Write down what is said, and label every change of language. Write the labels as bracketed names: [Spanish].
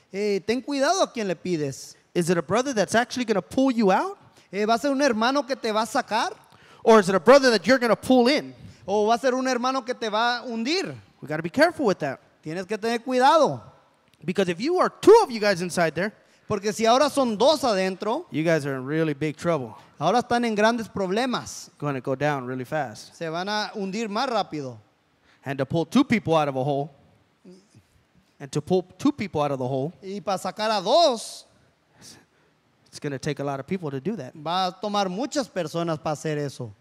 [Spanish] Ten cuidado a quien le pides. [English] Is it a brother that's actually going to pull you out? [Spanish] ¿Va a ser un hermano que te va a sacar? [English] Or is it a brother that you're going to pull in? [Spanish] ¿O va a ser un hermano que te va a hundir? [English] We got to be careful with that. [Spanish] Tienes que tener cuidado. [English] Because if you are two of you guys inside there, [Spanish] porque si ahora son dos adentro, [English] you guys are in really big trouble. [Spanish] Ahora están en grandes problemas. [English] Going to go down really fast. [Spanish] Se van a hundir más rápido. [English] And to pull two people out of a hole, and to pull two people out of the hole, [Spanish] y para sacar a dos, [English] it's going to take a lot of people to do that. [Spanish] Va a tomar muchas personas para hacer eso.